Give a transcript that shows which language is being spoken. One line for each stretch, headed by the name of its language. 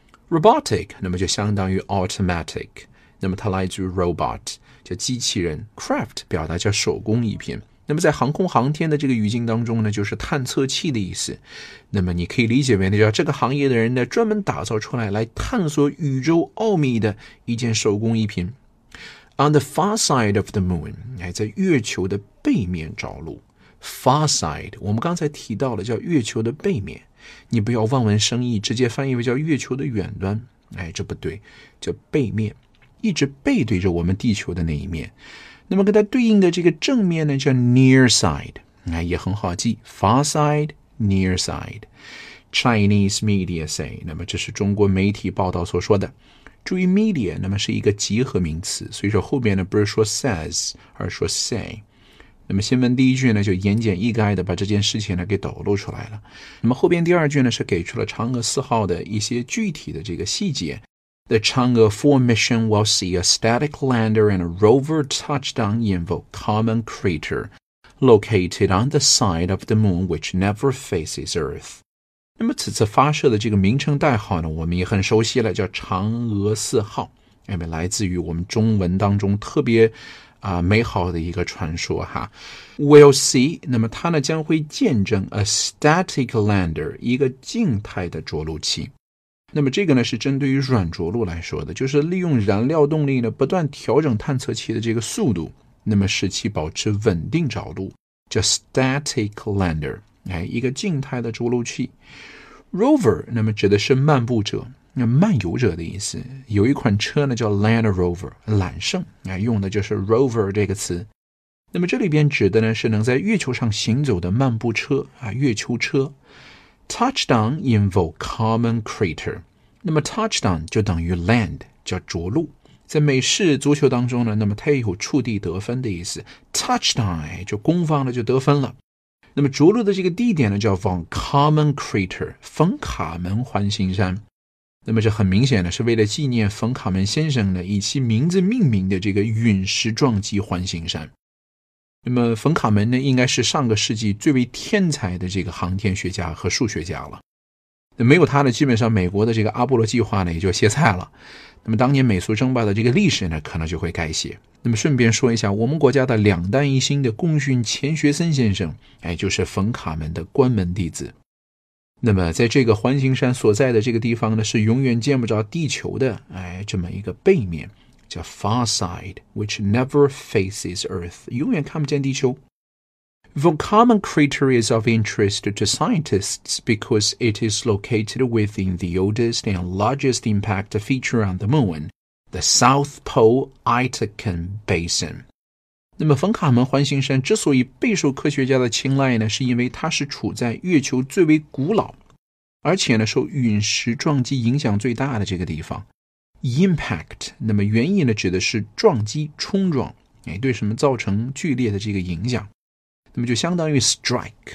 Chinese: Robotic 那么就相当于 automatic， 那么它来自于 robot 叫机器人， craft 表达叫手工艺品。那么在航空航天的这个语境当中呢，就是探测器的意思。那么你可以理解为呢，叫这个行业的人呢，专门打造出来来探索宇宙奥秘的一件手工艺品。
English: On the far side of the moon，
Chinese: 在月球的背面着陆。 far side， 我们刚才提到了叫月球的背面，你不要望文生义，直接翻译为叫月球的远端，哎，这不对，叫背面，一直背对着我们地球的那一面。那么跟它对应的这个正面呢，叫 near side， 哎，也很好记， far side, near side。
English: Chinese media say，
Chinese: 那么这是中国媒体报道所说的。注意 media， 那么是一个集合名词，所以说后面呢不是说 says， 而说 say。那么新闻第一句呢就言简意赅的把这件事情呢给抖露出来了。那么后边第二句呢是给出了嫦娥四号的一些具体的这个细节。
English: The Chang'e 4 mission will see a static lander and a rover touchdown in the common crater located on the side of the moon which never faces Earth。
Chinese: 那么此次发射的这个名称代号呢我们也很熟悉了，叫嫦娥四号，因为来自于我们中文当中特别美好的一个传说哈。
English: We'll see，
Chinese: 那么它呢将会见证
English: a static lander，
Chinese: 一个静态的着陆器。那么这个呢是针对于软着陆来说的，就是利用燃料动力呢不断调整探测器的这个速度，那么使其保持稳定着陆，叫 static lander，哎，一个静态的着陆器。 Rover 那么指的是漫步者，那漫游者的意思。有一款车呢叫 Land Rover 揽胜，哎，用的就是 Rover 这个词。那么这里边指的呢是能在月球上行走的漫步车，啊，月球车。
English: Touchdown in the common crater，
Chinese: 那么 Touchdown 就等于 Land， 叫着陆。在美式足球当中呢，那么它也有触地得分的意思， Touchdown，哎，就攻方了就得分了。那么着陆的这个地点呢叫 Von Karman Crater， 冯卡门环形山。那么这很明显的是为了纪念冯卡门先生呢以其名字命名的这个陨石撞击环形山。那么冯卡门呢应该是上个世纪最为天才的这个航天学家和数学家了。那没有他呢基本上美国的这个阿波罗计划呢也就歇菜了。那么当年美苏争霸的这个历史呢可能就会改写。那么顺便说一下，我们国家的两弹一星的功勋钱学森先生，哎，就是冯卡门的关门弟子。那么在这个环形山所在的这个地方呢是永远见不着地球的，哎，这么一个背面，叫
English: far side which never faces Earth，
Chinese: 永远看不见地球。
English: The common crater is of interest to scientists because it is located within the oldest and largest impact feature on the moonThe South Pole Aitken Basin。
Chinese: 那么冯卡门环形山之所以备受科学家的青睐呢，是因为它是处在月球最为古老，而且呢受陨石撞击影响最大的这个地方。 Impact， 那么原意呢指的是撞击冲撞，哎，对什么造成剧烈的这个影响，那么就相当于 Strike。